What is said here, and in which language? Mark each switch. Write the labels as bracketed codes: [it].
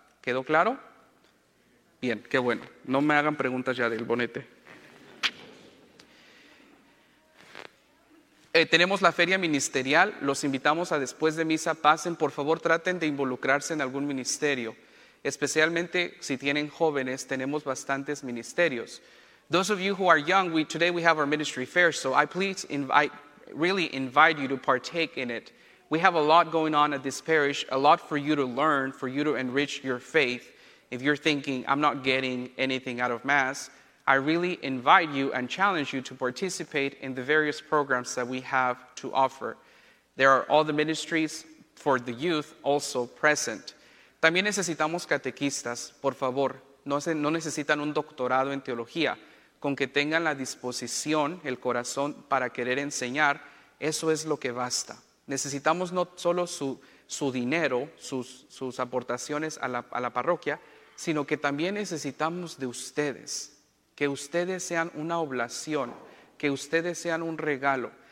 [es] ¿Quedó claro? Bien, qué bueno. No me hagan preguntas ya del bonete. Tenemos la feria ministerial. Los invitamos a después de misa. Pasen, por favor, traten de involucrarse en algún ministerio. Especialmente si tienen jóvenes, tenemos bastantes ministerios. [en] Those of you who are young, today we have our ministry fair, so I please invite, really invite you to partake in it. We have a lot going on at this parish, a lot for you to learn, for you to enrich your faith. If you're thinking, I'm not getting anything out of Mass, I really invite you and challenge you to participate in the various programs that we have to offer. There are all the ministries for the youth also present. [es] También necesitamos catequistas, por favor. No necesitan un doctorado en teología, con que tengan la disposición, el corazón para querer enseñar, eso es lo que basta. Necesitamos no solo su dinero, sus aportaciones a la parroquia, sino que también necesitamos de ustedes, que ustedes sean una oblación, que ustedes sean un regalo.